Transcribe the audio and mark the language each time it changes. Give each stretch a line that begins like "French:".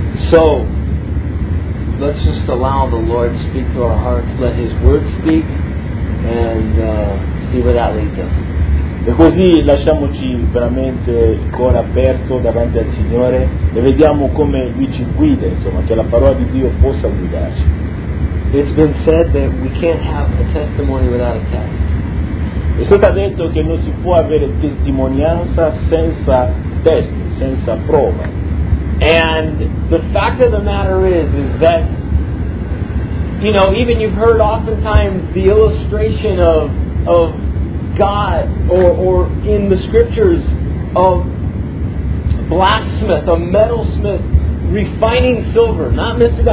English: So let's just allow the Lord to speak to our hearts, let His Word speak, and see where that leads us.
Italian: E così lasciamoci veramente il cuore aperto davanti al Signore e vediamo come Lui ci guida, insomma, che la parola di Dio possa guidarci.
English: It's been said that we can't have a testimony without a test.
Italian: È stato detto che non si può avere testimonianza senza test, senza prova.
English: And the fact of the matter is that, you know, even you've heard oftentimes the illustration of God or in the scriptures of blacksmith, a metalsmith refining silver, not Mr.